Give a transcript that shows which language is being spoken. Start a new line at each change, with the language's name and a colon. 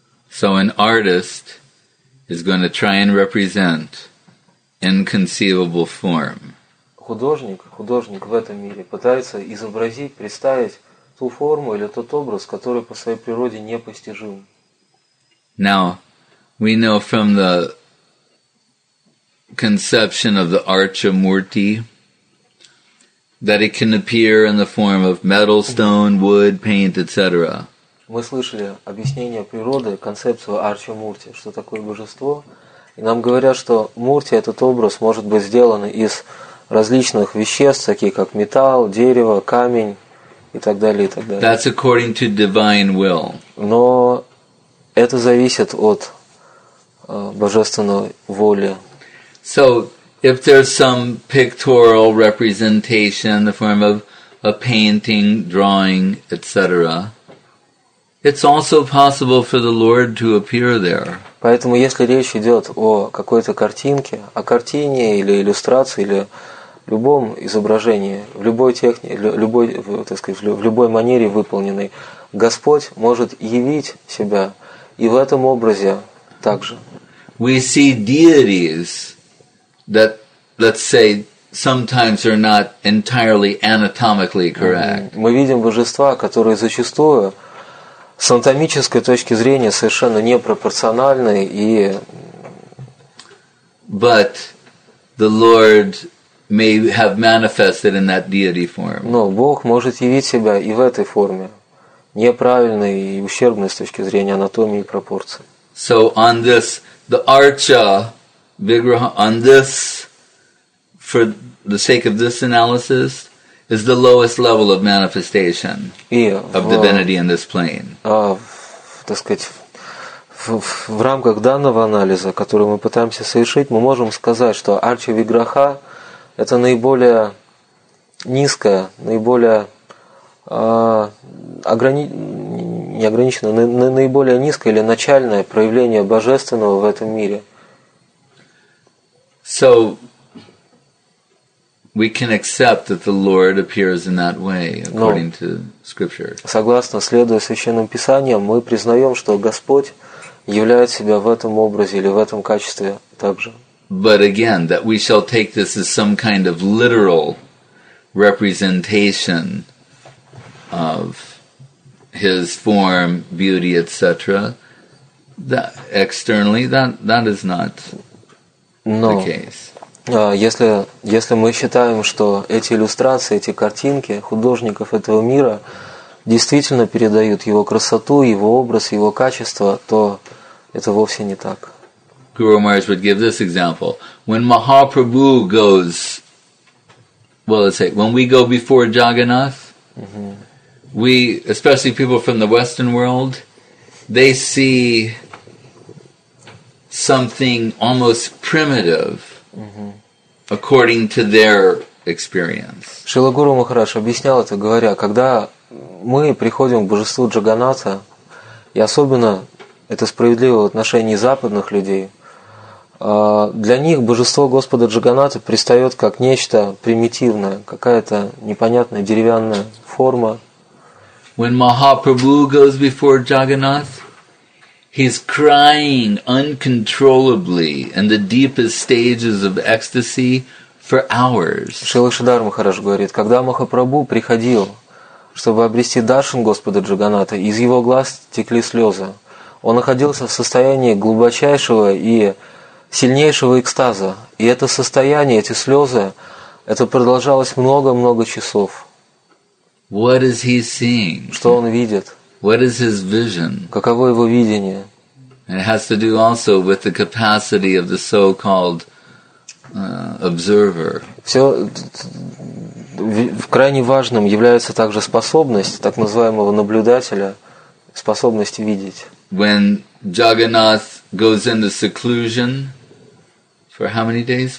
English: So an artist is going to try and represent inconceivable form.
Russian: Художник в этом мире пытается изобразить, представить ту форму или тот образ, который по своей природе непостижим.
English: Now, we know from the conception of the Archamurti that it can appear in the form of metal, stone, wood, paint, etc.
Russian: Мы слышали объяснение природы, концепцию Арчамурти, что такое божество. И нам говорят, что Мурти, этот образ, может быть сделан из различных веществ, такие как металл, дерево, камень, и так далее, и так далее.
English: That's according to divine will.
Russian: Но это зависит от божественной воли.
English: So, if there's some pictorial representation in the form of a painting, drawing, etc., it's also possible for the Lord to appear there.
Russian: Поэтому, если речь идет о какой-то картинке, о картине или иллюстрации, или любом изображении, в любой технике, в любой манере выполненной, Господь может явить себя и в этом образе также.
English: We see deities that, let's say, sometimes are not entirely anatomically correct.
Russian: Мы видим божества, которые зачастую с анатомической точки зрения совершенно непропорциональны и.
English: But the Lord may have manifested in that deity form.
Russian: Но Бог может явить себя и в этой форме, неправильной и ущербной с точки зрения анатомии и пропорций.
English: So on this, the archa vigraha, on this, for the sake of this analysis, is the lowest level of manifestation of divinity in this plane.
Russian: Так сказать, в рамках данного анализа, который мы пытаемся совершить, мы можем сказать, что арча виграха – это наиболее низкая, наиболее наиболее низкое или начальное проявление божественного в этом мире.
English: So we can accept that the Lord appears in that way according to scripture.
Russian: Согласно следуя священным писаниям, мы признаем, что Господь являет себя в этом образе или в этом качестве также.
English: But again, that we shall take this as some kind of literal representation of his form, beauty, etc. That externally, that is not the case.
Russian: Если мы считаем, что эти иллюстрации, эти картинки художников этого мира действительно передают его красоту, его образ, его качество, то это вовсе не так.
English: Guru Maharaj would give this example: when Mahaprabhu goes, well, let's say, when we go before Jagannath. Mm-hmm. We, especially people from the Western world, they see something almost primitive, according to their experience.
Russian: Шрила Гуру Махарадж объяснял это, говоря, когда мы приходим к божеству Джаганнатха, и особенно это справедливо в отношении западных людей, для них божество Господа Джаганнатха предстает как нечто примитивное, какая-то непонятная деревянная форма.
English: When Mahaprabhu goes before Jagannath, he's crying uncontrollably in the deepest stages of ecstasy for hours.
Russian: Шрила Шридхар Махарадж говорит, когда Махапрабху приходил, чтобы обрести даршан Господа Джаганнатха, из его глаз текли слезы. Он находился в состоянии глубочайшего и сильнейшего экстаза. И это состояние, эти слезы, это продолжалось много-много часов.
English: What is he seeing?
Russian: Что он видит?
English: What is his vision?
Russian: Каково его видение?
English: And it has to do also with the capacity of the so-called observer.
Russian: Все крайне важным является также способность так называемого наблюдателя, способность видеть.
English: When Jagannath goes into seclusion for how many days?